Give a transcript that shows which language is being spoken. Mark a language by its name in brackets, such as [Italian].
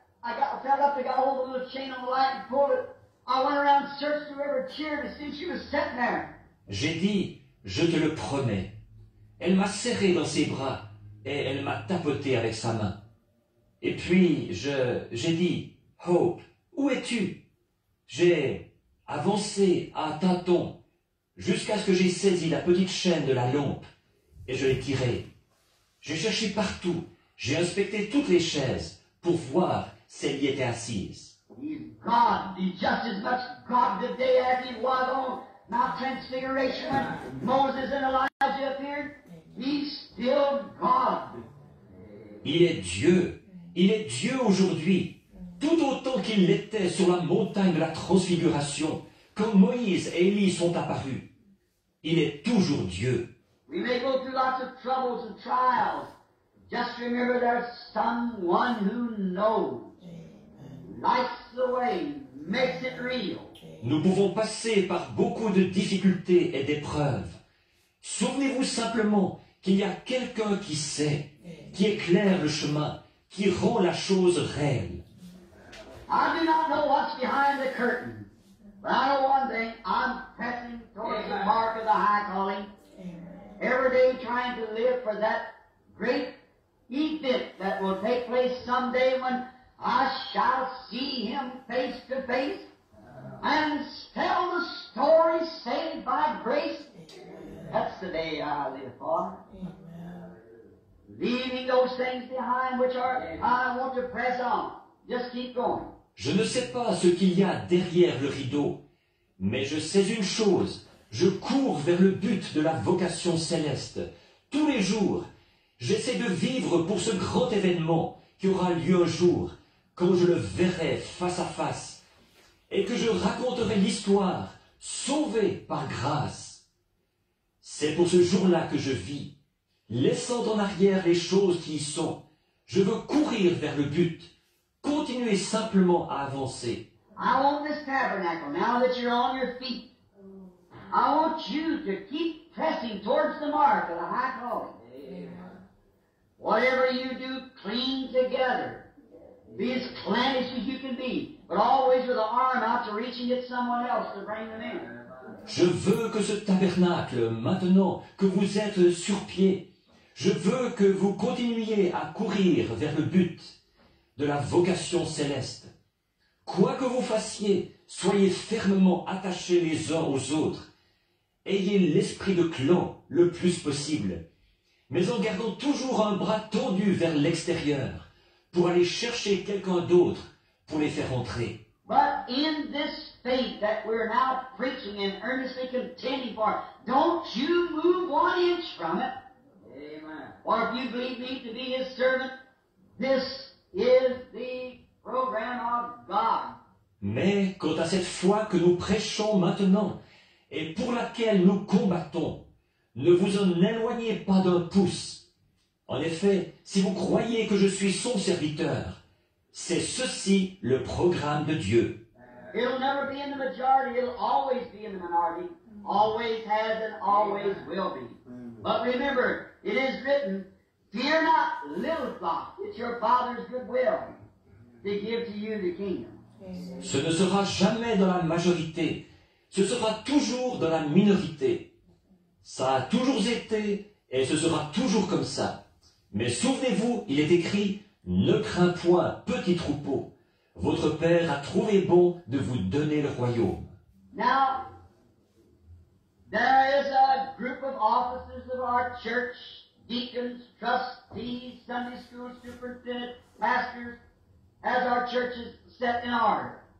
[English] I got fell up, I got hold of the little chain on the light and pulled it. I went around and searched through every chair to see if she was sitting there. [French] J'ai dit, je te le promets. Elle m'a serré dans ses bras et elle m'a tapoté avec sa main. Et puis, j'ai dit, Hope, où es-tu? J'ai avancé à tâtons jusqu'à ce que j'ai saisi la petite chaîne de la lampe et je l'ai tirée. J'ai cherché partout. J'ai inspecté toutes les chaises pour voir si elle y était assise. [English] He's God. He's just as much God today as he was on Mount Transfiguration when Moses and Elijah appeared. He's still God. [French] Il est Dieu. Il est Dieu aujourd'hui. Tout autant qu'il l'était sur la montagne de la Transfiguration, quand Moïse et Élie sont apparus. Il est toujours Dieu. [English] We may go through lots of troubles and trials. Just remember there's someone who knows. Lights the way, makes it real. [French] Nous pouvons passer par beaucoup de difficultés et d'épreuves. Souvenez-vous simplement qu'il y a quelqu'un qui sait, qui éclaire le chemin, qui rend la chose réelle. [English] I do not know what's behind the curtain, but I know one thing, I'm pressing towards the mark of the high calling. Every day trying to live for that great event that will take place someday when I shall see him face to face and tell the story saved by grace. That's the day I live for. Leaving those things behind which are, I want to press on. Just keep going. [French] Je ne sais pas ce qu'il y a derrière le rideau, mais je sais une chose. Je cours vers le but de la vocation céleste. Tous les jours, j'essaie de vivre pour ce grand événement qui aura lieu un jour, quand je le verrai face à face, et que je raconterai l'histoire sauvée par grâce. C'est pour ce jour-là que je vis, laissant en arrière les choses qui y sont. Je veux courir vers le but, continuer simplement à avancer. [English] I want this tabernacle, now that you're on your feet. I want you to keep pressing towards the mark of the high calling. Amen. Whatever you do, cling together. Be as cleansed as you can be, but always with the arm out to reaching it someone else to bring them in. [French] Je veux que ce tabernacle, maintenant que vous êtes sur pied, je veux que vous continuiez à courir vers le but de la vocation céleste. Quoi que vous fassiez, soyez fermement attachés les uns aux autres. Ayez l'esprit de clan le plus possible, mais en gardant toujours un bras tendu vers l'extérieur pour aller chercher quelqu'un d'autre pour les faire entrer. [English] But in this faith that we're now preaching and earnestly contending for, don't you move one inch from it. Amen. Or if you believe me to be his servant, this is the program of God. [French] Mais quant à cette foi que nous prêchons maintenant et pour laquelle nous combattons, ne vous en éloignez pas d'un pouce. En effet, si vous croyez que je suis son serviteur, c'est ceci le programme de Dieu. [English] It'll never be in the majority, it'll always be in the minority. Always has and always will be. But remember, it is written, fear not, little flock, it's your Father's good will to give to you the kingdom. [French] Ce ne sera jamais dans la majorité, ce sera toujours dans la minorité. Ça a toujours été et ce sera toujours comme ça. Mais souvenez-vous, il est écrit, ne crains point, petit troupeau. Votre Père a trouvé bon de vous donner le royaume. [English] Now, there is a group of officers of our church, deacons, trustees, Sunday school superintendents, pastors, as our church is set in order.